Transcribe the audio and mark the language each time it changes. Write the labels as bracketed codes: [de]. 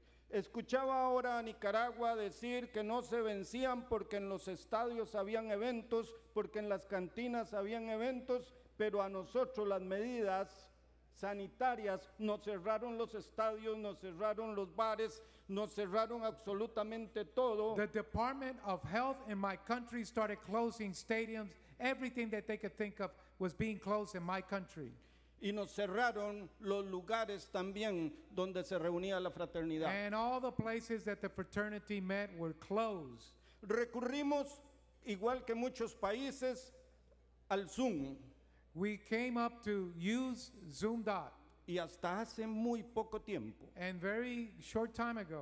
[es] Escuchaba ahora a Nicaragua decir que no se vencían porque en los estadios habían eventos, porque en las cantinas habían eventos, pero a nosotros las medidas sanitarias nos cerraron los estadios, nos cerraron los bares, nos cerraron absolutamente todo. [en] The Department of Health in my country started closing stadiums. Everything that they could think of was being closed in my country. [es] Y nos cerraron los lugares también donde se reunía la fraternidad. [en] And all the places that the fraternity met were closed. [es] Recurrimos, igual que muchos países, al Zoom. [en] We came up to use Zoom dot. [es] Y hasta hace muy poco tiempo, [en] and very short time ago,